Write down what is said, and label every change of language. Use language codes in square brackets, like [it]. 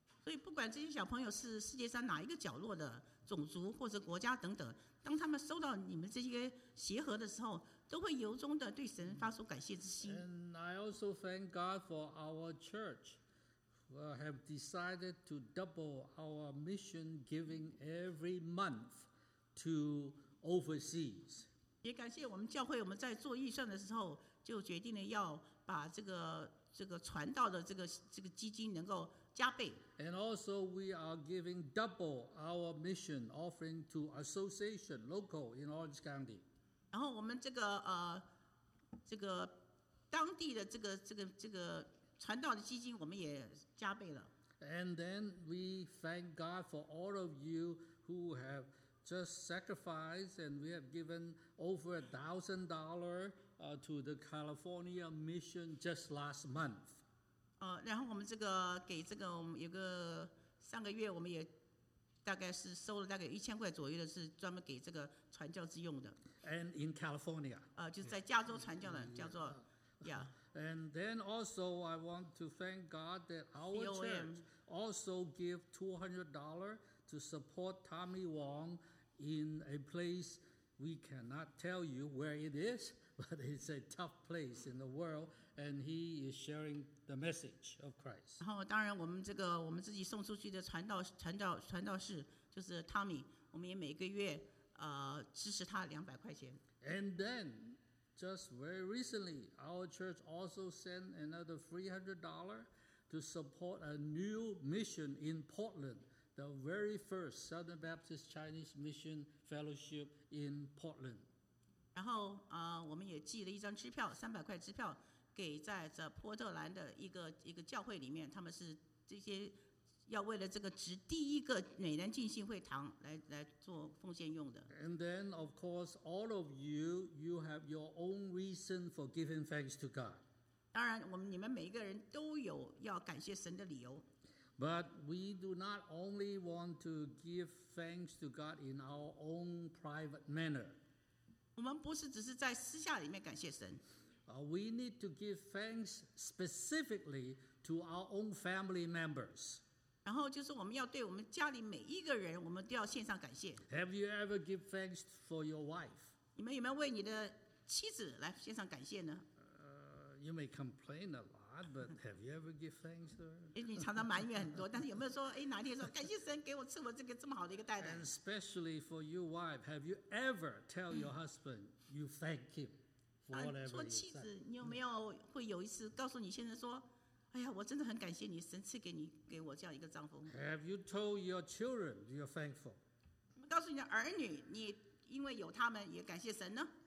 [zh] 所以不管这些小朋友是世界上哪一个角落的种族或者国家等等，当他们收到你们这些鞋盒的时候，都会由衷的对神发出感谢之心。 [en] And I also thank God for our church. We have decided to double our mission giving every month to overseas. [zh] 也感谢我们教会，我们在做预算的时候就决定了要把这个传道的这个基金能够加倍。 [en] And also, we are giving double our mission offering to association local in Orange County. [zh] 然后我们这个当地的这个。传道的基金我们也加倍了。 [en] And then we thank God for all of you who have just sacrificed, and we have given over $1,000 to the California mission just last month. [zh] 然后我们这个给这个我们有个上个月我们也大概是收了大概$1,000左右的，是专门给这个传教之用的。 [en] And in California. [zh] 就是在加州传教的，叫做。 [en] Yeah. And then also I want to thank God that our church also give $200 to support Tommy Wong in a place we cannot tell you where it is, but it's a tough place in the world, and he is sharing the message of Christ. [zh] 然后当然我们自己送出去的传道士就是 Tommy, 我们也每个月支持他$200。 [en] And then... Just very recently, our church also sent another $300 to support a new mission in Portland, the very first Southern Baptist Chinese Mission Fellowship in Portland. [zh] 然后我们也寄了一张支票，$300支票，给在这波特兰的一个教会里面，他们是这些要为了这个植第一个美兰浸信会堂 来做奉献用的。 [en] And then, of course, all of you, you have your own reason for giving thanks to God. [zh] 当然，你们每一个人都有要感谢神的理由。 [en] But we do not only want to give thanks to God in our own private manner. [zh] 我们不是只是在私下里面感谢神。 [en] We need to give thanks specifically to our own family members. [zh] 然后就是我们要对我们家里每一个人，我们都要献上感谢。 [en] Have you ever give thanks for your wife? [zh] 你们有没有为你的妻子来献上感谢呢？ [en] You may complain a lot, but have you ever give thanks to her? [zh] 你常常埋怨很多，但是有没有说，哪天说感谢神给我赐我这个这么好的一个太太 [en] ？And especially for your wife, have you ever tell your husband you thank him for whatever he's done? [zh] 做妻子，你有没有会有一次告诉你先生说？哎呀，我真的很感谢你，神赐给我这样一个丈夫。 [en] Have you told your children you're thankful? [zh] 告诉你的儿女，你因为有他们也感谢神呢。